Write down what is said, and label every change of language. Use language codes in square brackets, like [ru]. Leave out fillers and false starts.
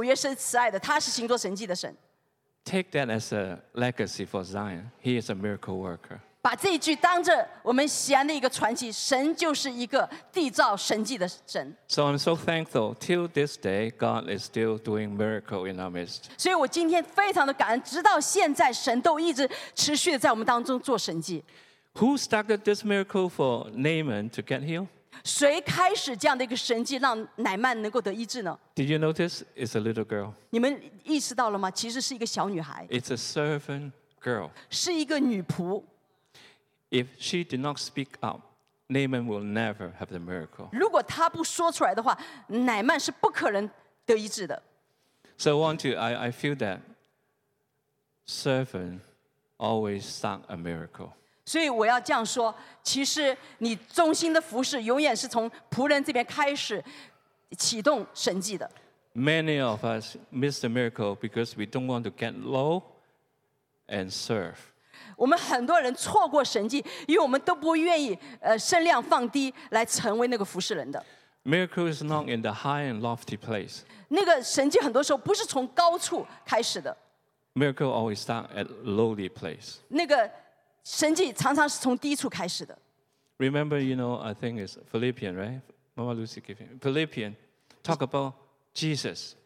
[zh] 每一次当你们来做见证的时候，我们就可以来听这首歌。神是一个开路先锋，他是守约、是慈爱的，他是行做神迹的神。 [en] Take that as a legacy for Zion. He is a miracle worker. [zh] 把这一句当着我们西安的一个传奇，神就是一个缔造神迹的神。 [en] So I'm so thankful till this day, God is still doing miracle in our midst. [zh] 所以我今天非常的感恩，直到现在，神都一直持续的在我们当中做神迹。 [en] Who started this miracle for Naaman to get healed? [zh] 谁开始这样的一个神迹让乃曼能够得医治呢? [en] Did you notice? It's a little girl. [zh] 你们意识到了吗?其实是一个小女孩。 [en] It's a servant girl. [zh] 是一个女仆。 [en] If she did not speak up, Naaman will never have the miracle. [zh] 如果她不说出来的话, 乃曼是不可能得医治的。 [en] So I want to, I feel that servant always start a miracle. [zh] 所以我要这样说, 其实你忠心的服侍永远是从仆人这边开始, 启动神迹的。 [en] Many of us miss the miracle because we don't want to get low and serve. [zh] 我们很多人错过神迹, 因为我们都不愿意, 声量放低, 来成为那个服侍人的。 [en] Miracle is not in the high and lofty place. [zh] 那个神迹很多时候不是从高处开始的。 [en] Miracle always start at lowly place. [zh] 那个神迹常常是从低处开始的。 [en] Remember, you know, I think it's Philippians, right? Mama Lucy gave him Philippians, talk about Jesus.